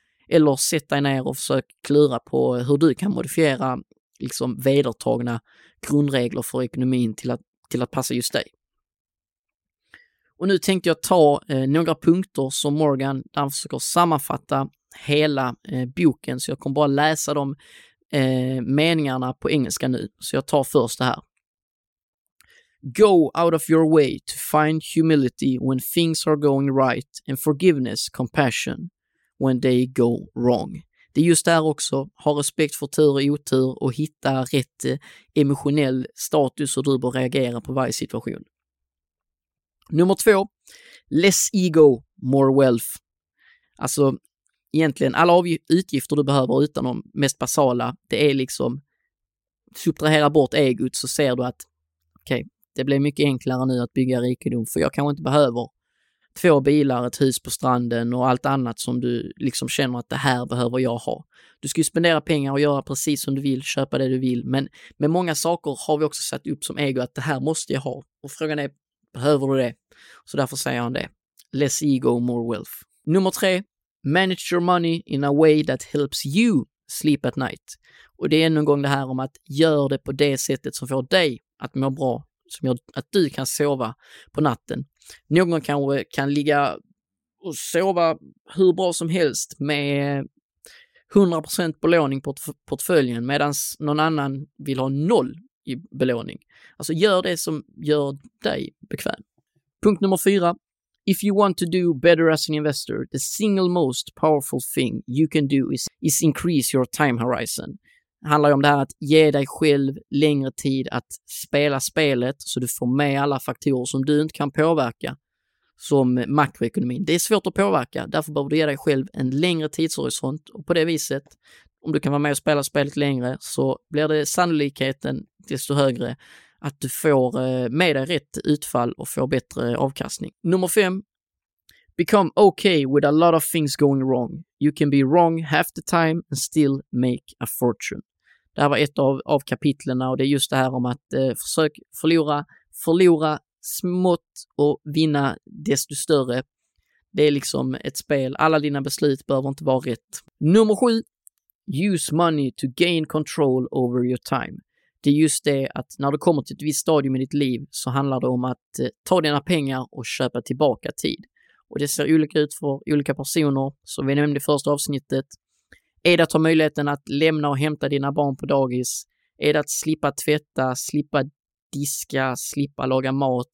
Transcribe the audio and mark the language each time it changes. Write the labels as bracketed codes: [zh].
[sv] Eller sätt dig ner och försök klura på hur du kan modifiera liksom vedertagna grundregler för ekonomin till att passa just dig. Och nu tänkte jag ta några punkter som Morgan där han försöker sammanfatta hela boken. Så jag kommer bara läsa dem meningarna på engelska nu. Så jag tar först det här. [en] Go out of your way to find humility when things are going right and forgiveness, compassion when they go wrong. [sv] Det är just där också. Ha respekt för tur och otur och hitta rätt emotionell status och du bör reagera på varje situation. Nummer 2. [en] Less ego, more wealth. [sv] Alltså egentligen alla utgifter du behöver utan de mest basala, det är liksom subtrahera bort egot, så ser du att okej, det blir mycket enklare nu att bygga rikedom, för jag kanske inte behöver 2 bilar, ett hus på stranden och allt annat som du liksom känner att det här behöver jag ha. Du ska ju spendera pengar och göra precis som du vill, köpa det du vill, men med många saker har vi också satt upp som ego att det här måste jag ha, och frågan är, behöver du det? Så därför säger han det. [en] Less ego, more wealth. [sv] Nummer 3. [en] Manage your money in a way that helps you sleep at night. [sv] Och det är ännu en gång det här om att gör det på det sättet som får dig att må bra. Som gör att du kan sova på natten. Någon kanske kan ligga och sova hur bra som helst med 100% belåning på portföljen. Medan någon annan vill ha 0 i belåning. Alltså gör det som gör dig bekväm. Punkt nummer 4. [en] If you want to do better as an investor, the single most powerful thing you can do is increase your time horizon. [sv] Det handlar om det här att ge dig själv längre tid att spela spelet så du får med alla faktorer som du inte kan påverka som makroekonomin. Det är svårt att påverka, därför behöver du ge dig själv en längre tidshorisont, och på det viset, om du kan vara med och spela spelet längre, så blir det sannolikheten desto högre att du får med dig rätt utfall och får bättre avkastning. Nummer 5. [en] Become okay with a lot of things going wrong. You can be wrong half the time and still make a fortune. [sv] Det här var ett av kapitlerna, och det är just det här om att försök förlora smått och vinna desto större. Det är liksom ett spel. Alla dina beslut behöver inte vara rätt. Nummer 7. [en] Use money to gain control over your time. [sv] Det är just det att när du kommer till ett visst stadium i ditt liv, så handlar det om att ta dina pengar och köpa tillbaka tid. Och det ser olika ut för olika personer, som vi nämnde i första avsnittet. Är det att ha möjligheten att lämna och hämta dina barn på dagis? Är det att slippa tvätta, slippa diska, slippa laga mat?